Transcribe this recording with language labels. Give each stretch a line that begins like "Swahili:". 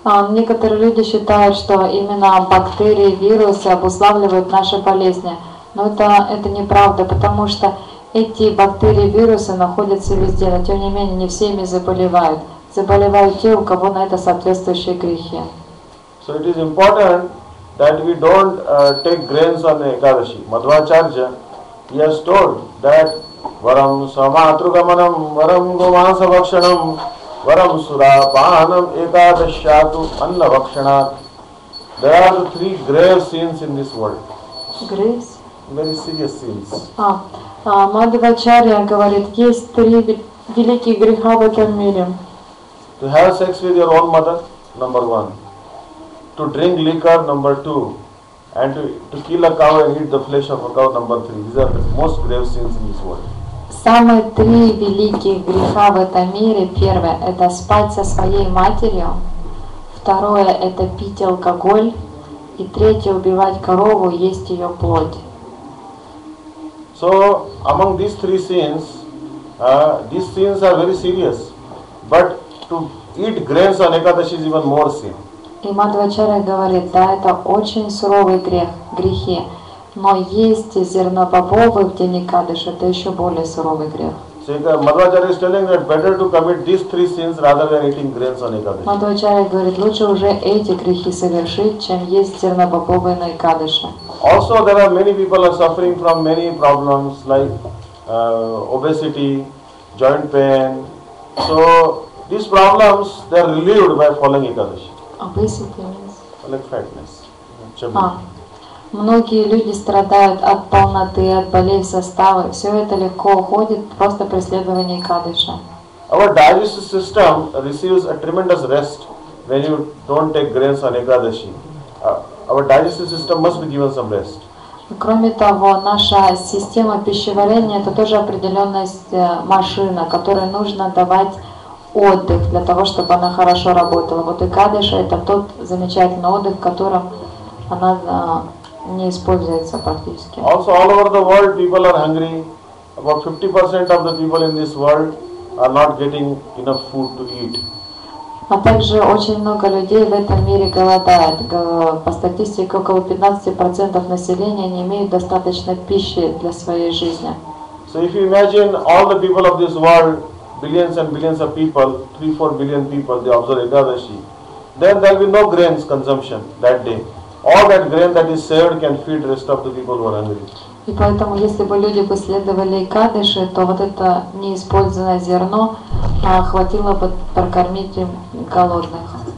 Russian: Некоторые люди считают, что именно бактерии, вирусы обуславливают наши болезни. Но это неправда, потому что эти бактерии, вирусы находятся везде, но тем не менее не все ими заболевают. Заболевают те, у кого на это соответствующие грехи.
English: So it is important that we don't take grains on the Ekadashi. Madhvacharya, he has told that
Sanskrit: varam samatrugamanam, varam govansa bhakshanam, varam surapanam ekadashyatu anna bhakshanat.
English: There are three grave sins in this world. Graves? Very serious sins.
Russian: Madhvacharya говорит, есть три великие греха в этом мире.
English: To have sex with your own mother, number one. To drink liquor, number two, and to kill a cow and eat the flesh of a cow, number three. These are the most grave sins in this world.
Russian: Самые три великих греха в этом мире. Первое – это спать со своей матерью. Второе – это пить алкоголь. И третье – убивать корову, есть ее плоть.
English: So, among these three sins, these sins are very serious. But to eat grains on Ekadashi is even more sin.
Russian: И Мадхвачарья говорит, да, это очень суровый грех, грехи, но есть зерно бобовое в день Экадаши, это еще более суровый грех.
English: Мадхвачарья is telling that better to commit these three sins rather than eating grains on Ekadaši.
Russian: Мадхвачарья говорит, лучше уже эти грехи совершить, чем есть зерно бобовое на Экадаши.
English: Also there are many people are suffering from many problems like obesity, joint pain. So these problems they are relieved by following Ekadaši. Obesity means? Like fatness.
Russian: Многие люди страдают от полноты, от болей в составе. Все это легко уходит, просто преследование Экадаши.
English: Our digestive system receives a tremendous rest when you don't take grains on Ekadaši. Our digestive system must be given some rest.
Russian: Кроме того, наша система пищеварения – это тоже определенность машина, которой нужно давать отдых для того, чтобы она хорошо работала. Вот Экадаши – это тот замечательный отдых, в котором она не используется практически.
English: Also, all over the world, people are hungry. About 50% of the people in this world are not getting enough food to eat.
Russian: А также очень много людей в этом мире голодают. По статистике, около 15% населения не имеют достаточно пищи для своей жизни.
English: So, if you imagine all the people of this world, billions and billions of people, 3-4 billion people, they observe Ekadaši, then there will be no grains consumption that day. All that grain that is saved can feed the rest of the people who are hungry.
Russian: И поэтому, если бы люди последовали Экадаши, то вот это неиспользованное зерно хватило бы прокормить им голодных.